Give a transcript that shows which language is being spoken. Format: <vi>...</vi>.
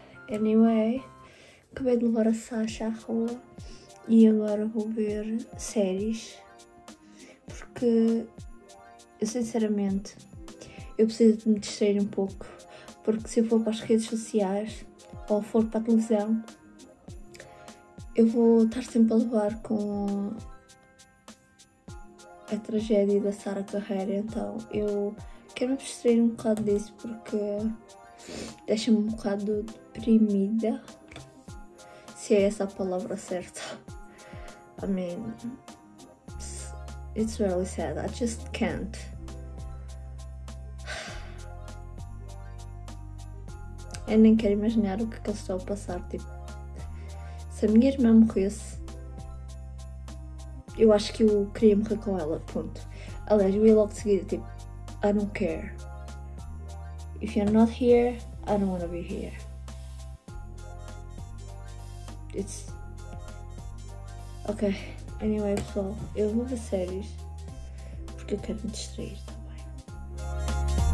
<pt>Anyway, acabei de levar a Sasha à rua e agora vou ver séries, porque eu sinceramente eu preciso de me distrair um pouco, porque se eu for para as redes sociais ou for para a televisão eu vou estar sempre a levar com a tragédia da Sarah Carreira, então eu quero me distrair um bocado disso porque deixa-me um bocado deprimida, se é essa a palavra certa.</pt> <en>I mean, it's really sad, I just can't.</en> <pt>Eu nem quero imaginar o que é que eu estou a passar, tipo, se a minha irmã morresse, eu acho que eu queria morrer com ela, ponto. Aliás, eu ia logo de seguida, tipo,</pt> <en>I don't care. If you're not here, I don't want to be here. It's... Okay, anyway,</en> <pt>pessoal, eu vou ver séries porque eu quero me distrair também.</pt>